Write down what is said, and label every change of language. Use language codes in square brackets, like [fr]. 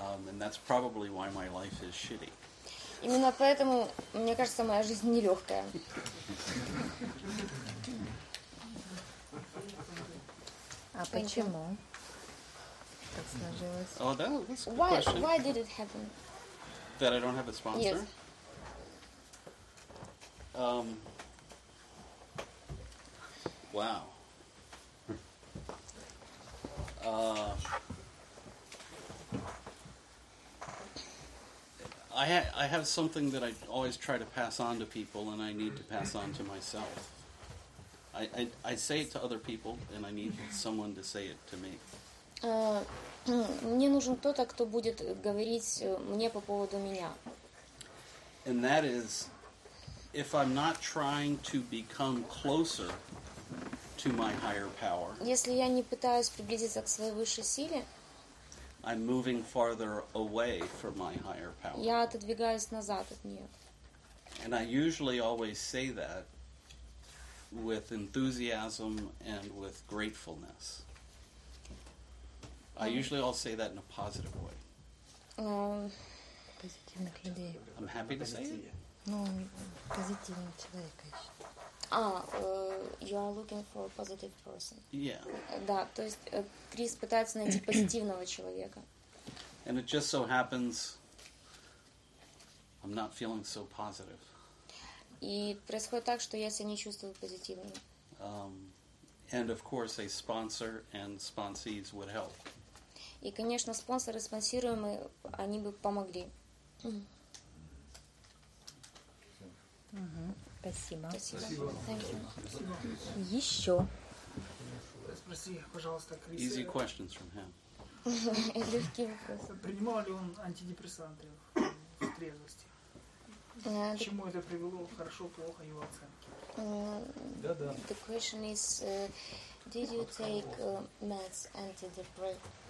[en] And that's probably why my life is shitty. [ru] Именно поэтому, мне кажется, моя жизнь нелегкая. А почему так сложилось? [en] Oh, that was a good question. Why did it happen? That I don't have a sponsor? Yes. Wow. I have something that I always try to pass on to people, and I need to pass on to myself. I say it to other people, and I need someone to say it to me. Мне нужен кто-то, кто будет говорить мне по поводу меня. And that is, if I'm not trying to become closer to my higher power. Если я не пытаюсь приблизиться к своей высшей силе. I'm moving farther away from my higher power. Я отодвигаюсь назад от нее. And I usually always say that with enthusiasm and with gratefulness. I usually all say that in a positive way. [ru] Позитивных людей. [en] I'm happy to say it. [ru] Ну, позитивный человек, конечно. [en] You are looking for a positive person. Yeah. [ru] Да, то есть Крис пытается найти позитивного человека. [en] And it just so happens I'm not feeling so positive. [ru] И происходит так, что я себя не чувствую позитивным. [en] And of course a sponsor and sponsees would help. [ru] И, конечно, спонсоры, спонсируемые, они бы помогли. Спасибо. Спасибо. Еще. Спроси, пожалуйста, Крис. [en] Easy questions from him. [ru] Легкие вопросы. Принимал ли он антидепрессанты в трезвости? К чему это привело? Хорошо, плохо, его оценки? Да-да. [en] The question is, did you take meds, antidepressants?